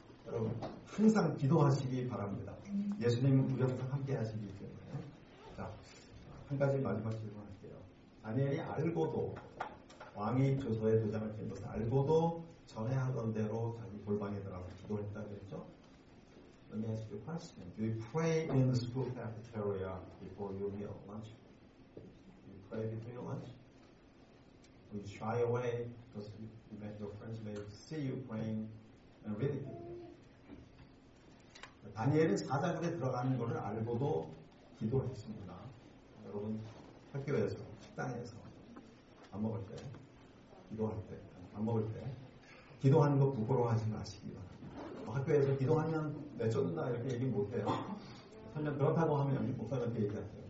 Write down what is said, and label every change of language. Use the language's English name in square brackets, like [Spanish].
[Korean] 여러분 항상 기도하시기 바랍니다. 예수님은 우리 항상 함께 하시기 때문에 자, 한 가지 마지막 질문할게요. 다니엘이 알고도 왕이 조서에 도장을 찍는 것을 알고도 전에 하던 대로 자기 골방에 들어가서 기도했다 그랬죠? [English] Let me ask you a question. Do you pray in the school cafeteria before your meal, lunch? Do you pray before your lunch? Do you shy away because you met your friends may see you praying and reading? [Korean] 다니엘은 사자굴에 들어가는 것을 알고도 기도했습니다. 여러분 학교에서 식당에서 밥 먹을 때 기도할 때 밥 먹을 때 기도하는 거 부끄러워하지 마시기요. 학교에서 기도하면 내쫓는다 이렇게 얘기 못해요. 설명 그렇다고 하면 목사님한테 얘기하세요.